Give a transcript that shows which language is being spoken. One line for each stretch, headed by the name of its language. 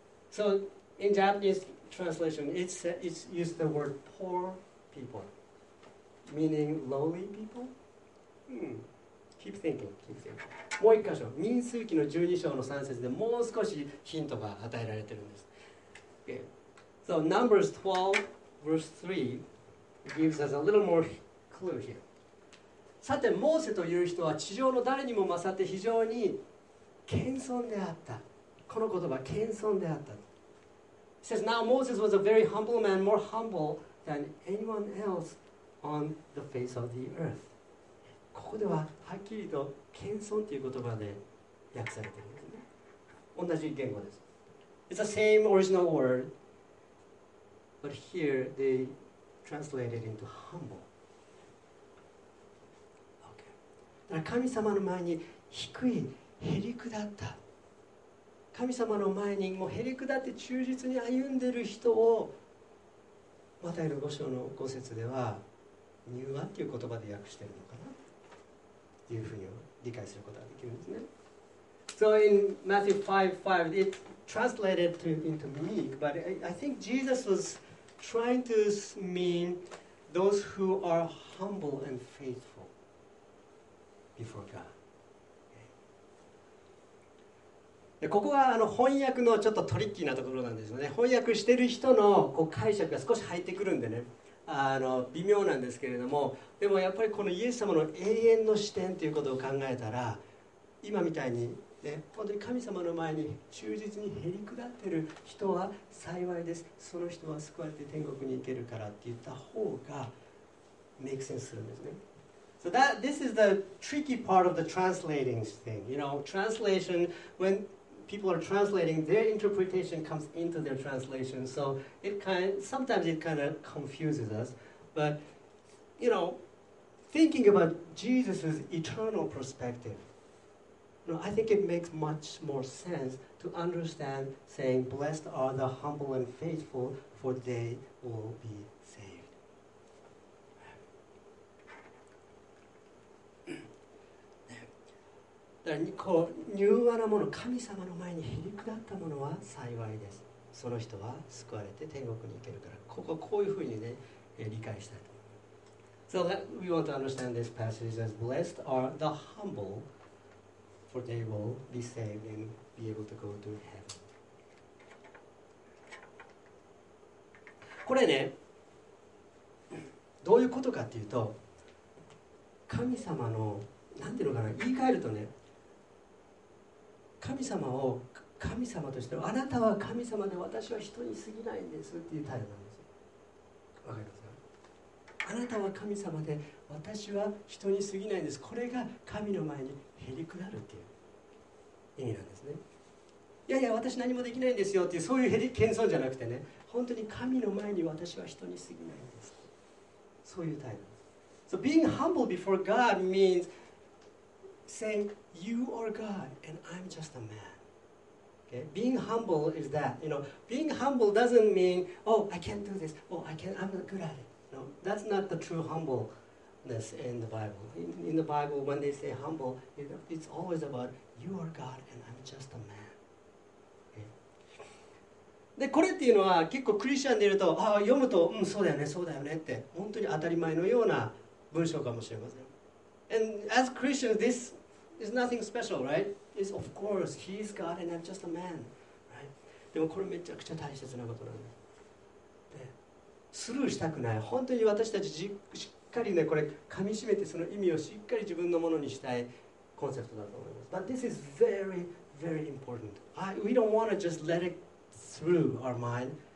English: So, in Japanese,Translation, it's used the word poor people, meaning lowly people. Keep thinking.
Japanese: もう一箇所、民数記の12章の3節でもう少しヒントが与えられているんです。
English: Okay. So Numbers 12 verse 3 gives us a little more clue here.
Japanese: さて、モーセという人は地上の誰にも勝って非常に謙遜であった。この言葉、謙遜であった。
English: It says, now Moses was a very humble man, more humble than anyone else on the face of the earth.
Japanese: ここでははっきりと謙遜という言葉で訳されているんですね。同じ言語です。
English: It's the same original word, but here they translated into humble. Okay.
Japanese: だから神様の前に低い、へりくだった。神様の前にもうへりくだって忠実に歩んでる人をマタイの5章の5節では柔和っていう言葉で訳してるのかなっていうふうに理解することができるんですね。
English: So in Matthew 5:5 it translated to, into meek, but I think Jesus was trying to mean those who are humble and faithful before God.
Japanese: ここが翻訳のちょっとトリッキーなところなんですよね。翻訳してる人のこう解釈が少し入ってくるんでね、微妙なんですけれども、でもやっぱりこのイエス様の永遠の視点ということを考えたら、今みたいに、ね、本当に神様の前に忠実にへり下ってる人は幸いです、その人は救われて天国に行けるからって言った方がメイクセンスするんですね。
English: So that, this is the tricky part of the translating thing. You know, translation, when people are translating, their interpretation comes into their translation. So it kind, sometimes it kind of confuses us. But, you know, thinking about Jesus' eternal perspective, you know, I think it makes much more sense to understand saying, blessed are the humble and faithful, for they will be saved.
Japanese: こう柔和なもの、神様の前にへり下ったものは幸いです、その人は救われて天国に行けるから、ここはこういうふうにね、理解したいと思います。
English: So we want to understand this passage as blessed are the humble, for they will be saved and be able to go to heaven.
Japanese: これね、どういうことかっていうと、神様の、なんていうのかな、言い換えるとね、神様を神様として、あなたは神様で私は人に過ぎないんですっていう態度なんですよ。わかりますか？あなたは神様で私は人に過ぎないんです。これが神の前にへり下るっていう意味なんですね。いやいや、私何もできないんですよっていう、そういうへり謙遜じゃなくてね、本当に神の前に私は人に過ぎないんです。そういう態度。
English: So being humble before God means saying,You are God, and I'm just a man. Okay? Being humble is that. You know, being humble doesn't mean, oh, I can't do this. Oh, I can't, I'm not good at it. No, that's not the true humbleness in the Bible. In the Bible, when they say humble, you know, it's always about, you are God, and I'm just a man.
Japanese: Okay? で、これっていうのは結構クリスチャンでいると、ああ、読むと、うん、そうだよね、そうだよねって、本当に当たり前のような文章かもしれません。
English: And as Christians, this... It's nothing special, right? It's of course, he's God and I'm just a man, right?
Japanese: でもこれめちゃくちゃ大切なことなんです。で、スルーしたくない。本当に私たちしっかりね、これ噛み締めてその意味をしっかり自分のものにしたいコンセプトだと思います。
English: But this is very, very important. We don't want to just let it through our mind.